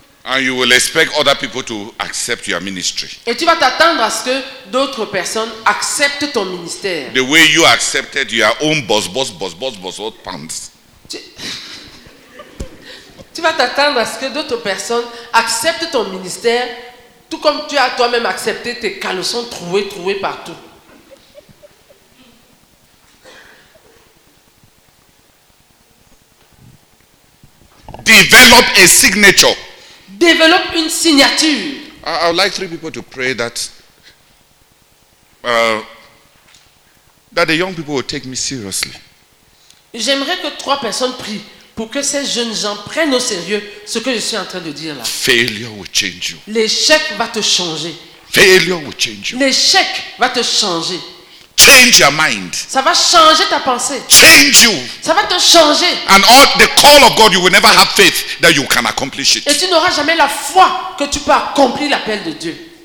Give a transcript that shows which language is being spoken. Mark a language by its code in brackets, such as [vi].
[en] And you will expect other people to accept your ministry. [fr] Et tu vas t'attendre à ce que d'autres personnes acceptent ton ministère. [en] The way you accepted your own boss pants. [fr] Tu vas t'attendre à ce que d'autres personnes acceptent ton ministère tout comme tu as toi-même accepté tes caleçons troués partout. [en] Develop a signature. [fr] Développe une signature. [en] I would like three people to pray that the young people will take me seriously. [fr] J'aimerais que trois personnes prient pour que ces jeunes gens prennent au sérieux ce que je suis en train de dire là. [en] Failure will change you. [fr] L'échec va te changer. [en] Failure will change you. [fr] L'échec va te changer. [en] Change your mind. [fr] Ça va changer ta pensée. [en] Change you. [fr] Ça va te changer. [en] And all the call of God, you will never have faith that you can accomplish it. [fr] Et tu n'auras jamais la foi que tu peux accomplir l'appel de Dieu.